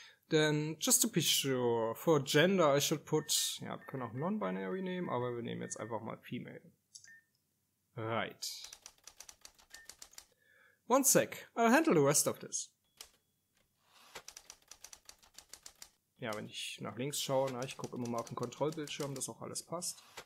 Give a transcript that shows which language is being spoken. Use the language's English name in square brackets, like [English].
[English] Then, just to be sure, for gender I should put... [German] Ja, wir können auch non-binary nehmen, aber wir nehmen jetzt einfach mal female. [English] Right. One sec, I'll handle the rest of this. [German] Ja, wenn ich nach links schaue, na, ich gucke immer mal auf den Kontrollbildschirm, dass auch alles passt.